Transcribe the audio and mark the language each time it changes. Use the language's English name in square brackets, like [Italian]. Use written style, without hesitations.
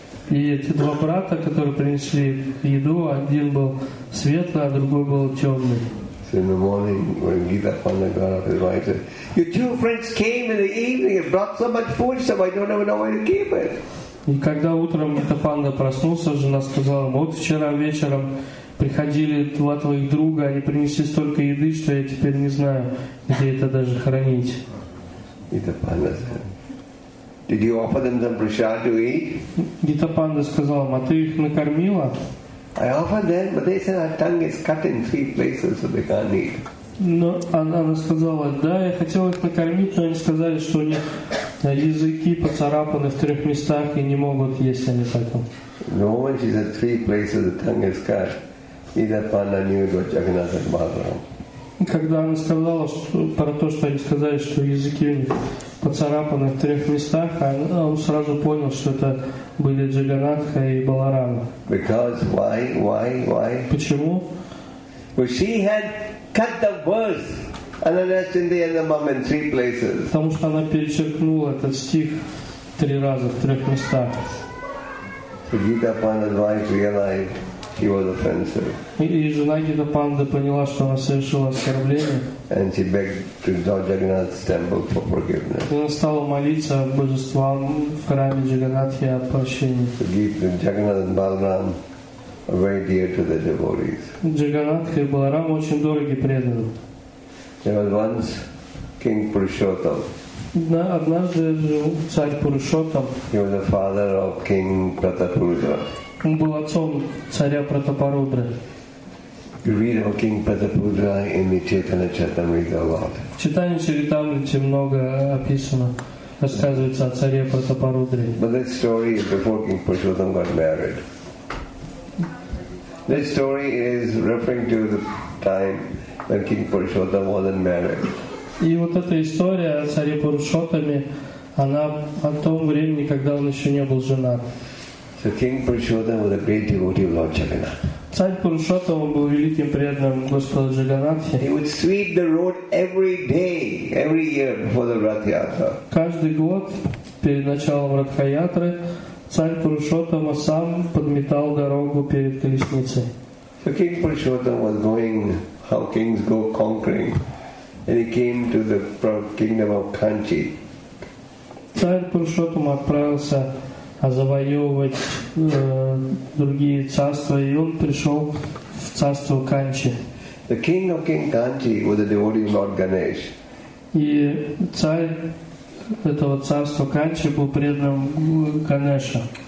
[Russian] И эти 2 брата, которые принесли еду, один был светлый, а другой был темный. [English] So in the morning, when Gita Panda got up, his wife said, your 2 friends came in the evening and brought so much food stuff, I don't even know where to keep it. [Russian] И когда утром Гита Панда проснулся, жена сказала, вот вчера вечером приходили 2 твоих друга, они принесли столько еды, что я теперь не знаю, где это даже хранить. [English] Гита Панда said, did you offer them some prasad to eat? [Russian] Гита Панда сказал, а ты их накормила? [English] I offered them, but they said our tongue is cut in 3 places, so they can't eat. [Russian] Но она сказала, да, я хотела их накормить, но они сказали, что у них языки поцарапаны в 3 местах и не могут есть они потом. [English] No, when she said 3 places, the tongue is cut, Gita Panda knew it was Jagannath Balaram. [Russian] Когда она сказала про то, что они сказали, что языки поцарапаны в 3 местах, он сразу понял, что это были Джаганатха и Баларама. [English] Because why? [Russian] Почему? [English] Well, she had cut the verse Ananya Chandayandamam in 3 places. [Russian] Потому что она перечеркнула этот стих 3 раза в 3 местах. [English] So Gita Panda's wife realized was offensive. [Russian] И жена Гидапанды поняла, что она совершила оскорбление. [English] And she begged to Jagannath's temple for forgiveness. [Russian] И она стала молиться божествам в храме Джаганнатхи о прощении. [English] To give Jagannath and Balaram very dear to the devotees. [Russian] Джаганнатха и Баларама очень дороги преданным. [English] There was once King Purushottam. [Russian] Однажды жил царь Пурушоттам. [English] He was the father of King Pratapurudra. [Russian] Он был отцом царя Пратапарудры. [English] You read about King Pratapurudra in the Chaitanya Charitamrita a lot. [Russian] В Чайтанья Чаритамрите много описано, рассказывается о царе Пратапарудре. [English] But this story is before King Purushottam got married. This story is referring to the time when King Purushottam wasn't married. [Russian] И вот эта история о царе Пурушоттаме, она о том времени, когда он еще не был женат. [English] So King Purushottam was a great devotee of Lord Jagannath. [Russian] Царь Пурушоттам был великим преданным Господа Джаганатхи. [English] He would sweep the road every day, every year before the Ратхаятра. [Russian] Каждый год перед началом Ратхаятры царь Пурушоттама сам подметал дорогу перед колесницей. [English] So King Purushottam was going how kings go conquering. And he came to the kingdom of Kanchi. [Russian] Царь Пурушоттама отправился завоевывать другие царства, и он пришел в царство Канчи. [English] The king of King Kanchi was a devotee of Lord Ganesh. [Russian] И царь этого царства Канчи был преданным Ганеша.